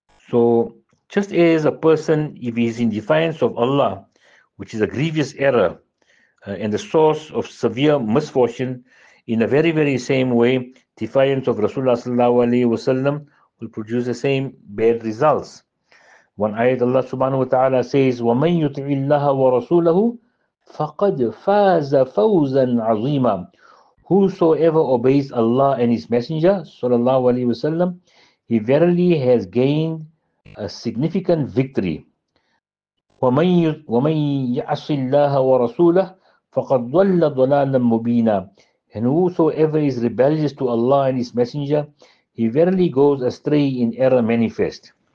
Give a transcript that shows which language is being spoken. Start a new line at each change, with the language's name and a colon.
English: So, just as a person, if he is in defiance of Allah, which is a grievous error and the source of severe misfortune, in the very, very same way, defiance of Rasulullah sallallahu alayhi wa sallam will produce the same bad results. One ayat Allah subhanahu wa ta'ala says,
Arabic: وَمَنْ يُطِعِ اللَّهَ وَرَسُولَهُ فَقَدْ فَازَ فَوْزًا عَظِيمًا.
English: Whosoever obeys Allah and His Messenger, sallallahu alayhi wa sallam, he verily has gained a significant victory.
Arabic: وَمَنْ يَعْصِ اللَّهَ وَرَسُولَهُ فَقَدْ ضَلَّ ضَلَالًا مُبِينًا.
English: And whosoever is rebellious to Allah and His Messenger, he verily goes astray in error manifest.